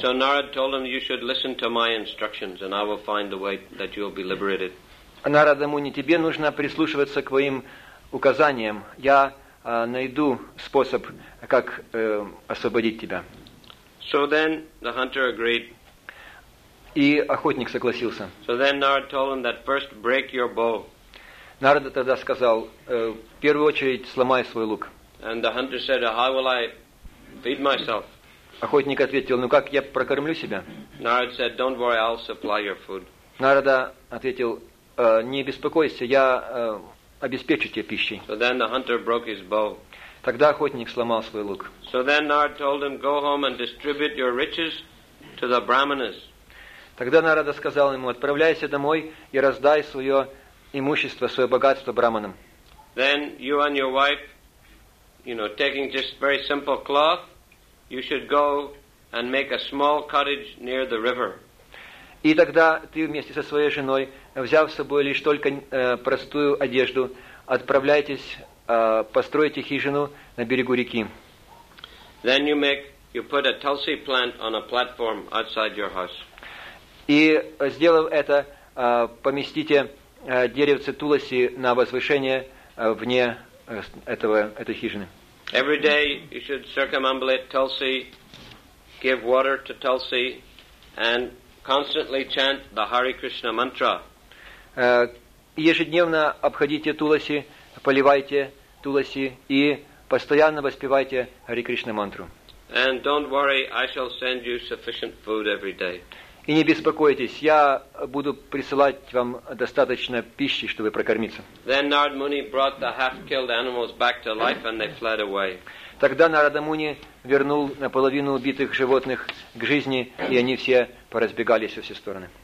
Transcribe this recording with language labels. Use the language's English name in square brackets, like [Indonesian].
[English] So Narad told him, you should listen to my instructions and I will find a way that you will be liberated. [Russian] Нараде Муни, тебе нужно прислушиваться к твоим указаниям. Я найду способ, как освободить тебя. [English] So then the hunter agreed. [Russian] И охотник согласился. [English] So then Narad told him that first break your bow. [Russian] Нарада тогда сказал, в первую очередь сломай свой лук. [English] And the hunter said, how will I feed myself? [Russian] Охотник ответил, ну как я прокормлю себя? [English] Narad said, don't worry, I'll supply your food. [Russian] Нарада ответил, не беспокойся, я обеспечу тебе пищей. [English] So then the hunter broke his bow. [Russian] Тогда охотник сломал свой лук. [English] So then Narad told him, go home and distribute your riches to the brahmanas. [Russian] Тогда Нарада сказал ему, отправляйся домой и раздай свое имущество, свое богатство браманам. [English] Then you and your wife, you know, taking just very simple cloth, you should go and make a small cottage near the river. [Russian] И тогда ты вместе со своей женой, взяв с собой лишь только простую одежду, отправляйтесь, постройте хижину на берегу реки. [English] Then you make, you put a tulsi plant on a platform outside your house. [Russian] И, сделав это, поместите деревце тулоси на возвышение вне этой хижины. [English] Every day you should circumambulate tulsi, give water to tulsi, and constantly chant the Hare Krishna mantra. [Russian] Ежедневно обходите туласи, поливайте туласи и постоянно воспевайте Hare Krishna мантру. [English] And don't worry, I shall send you sufficient food every day. [Russian] И не беспокойтесь, я буду присылать вам достаточно пищи, чтобы прокормиться. [English] Then Narad Muni brought the half-killed animals back to life, and they fled away. [Russian] Тогда Нарада Муни вернул наполовину убитых животных к жизни, и они все поразбегались во все стороны.